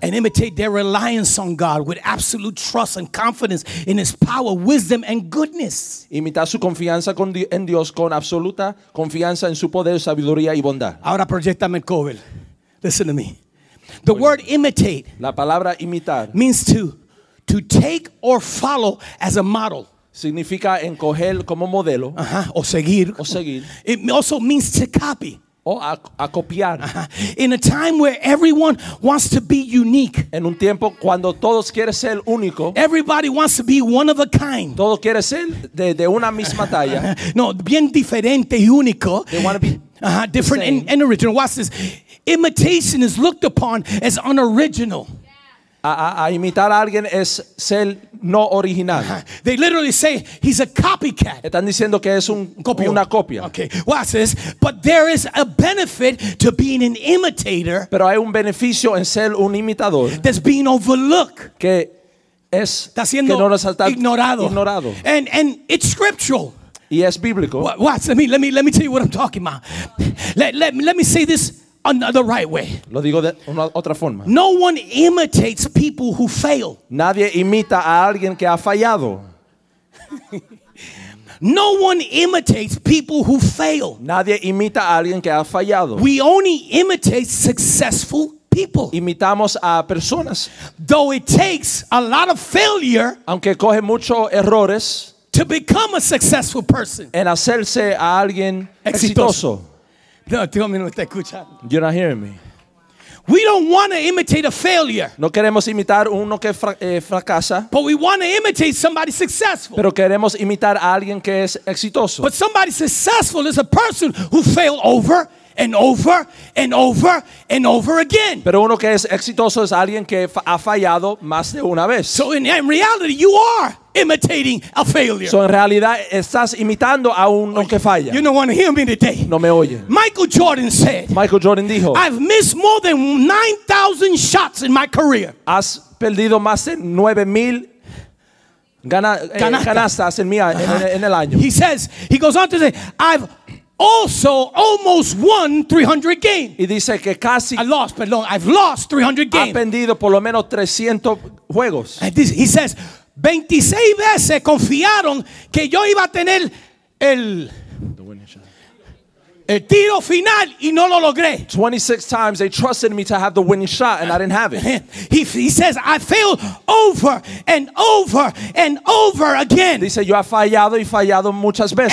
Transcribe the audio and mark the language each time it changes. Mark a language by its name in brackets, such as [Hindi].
[English] And imitate their reliance on God with absolute trust and confidence in his power, wisdom and goodness. [Spanish] Imitar su confianza en Dios con absoluta confianza en su poder, sabiduría y bondad. Ahora proyectame el COVID. [English] Listen to me. The word imitate, [Spanish] la palabra imitar, [English] means to take or follow as a model. [Spanish] Significa encoger como modelo, uh-huh, o seguir. O seguir. [English] It also means to copy. [Spanish] O a copiar. Uh-huh. [English] In a time where everyone wants to be unique. [Spanish] En un tiempo cuando todos quieren ser único. [English] Everybody wants to be one of a kind. [Spanish] Todos quieren ser de una misma talla. No, bien diferente y único. [English] They want to be different and original. Watch this. Imitation is looked upon as unoriginal. [Spanish] A imitar a alguien es ser no original. [English] They literally say he's a copycat. [Spanish] Están diciendo que es una copia. [English] Okay. Watch this. But there is a benefit to being an imitator. [Spanish] Pero hay un beneficio en ser un imitador. [English] That's being overlooked. [Spanish] Que es ignorado. [English] And it's scriptural. [Spanish] Y es bíblico. [English] Watch. Let me tell you what I'm talking about. Let me say this. The right way. [Spanish] Lo digo de otra forma. [English] No one imitates people who fail. [Spanish] Nadie imita a alguien que ha fallado. [English] No one imitates people who fail. [Spanish] Nadie imita a alguien que ha fallado. [English] We only imitate successful people. [Spanish] Imitamos a personas. [English] Though it takes a lot of failure. [Spanish] Aunque coge muchos errores. [English] To become a successful person. [Spanish] En hacerse a alguien exitoso. No, tú me no estás escuchando. [English] You're not hearing me. We don't want to imitate a failure. [Spanish] No queremos imitar uno que fracasa. [English] But we want to imitate somebody successful. [Spanish] Pero queremos imitar a alguien que es exitoso. [English] But somebody successful is a person who failed over and over and over and over again. [Spanish] Pero uno que es exitoso es alguien que ha fallado más de una vez. [English] So in reality, you are imitating a failure. [Spanish] So en realidad estás imitando a uno que falla. [English] You don't want to hear me today. [Spanish] No me oye. [English] Michael Jordan said. [Spanish] Michael Jordan dijo. [English] I've missed more than 9,000 shots in my career. [Spanish] Has perdido más de 9,000 canastas en el año. [English] He says. He goes on to say, I've also almost won 300 games. [Spanish] Y dice que casi. [English] I've lost 300 games. [Spanish] Ha perdido por lo menos 300 juegos. [English] He says. [Spanish] 26 veces confiaron que yo iba a tener el tiro final y no lo logré. [English] 26 times they trusted me to have the winning shot and I didn't have it. He says I failed over and over and over again. [Spanish] Dice yo he fallado y fallado muchas veces.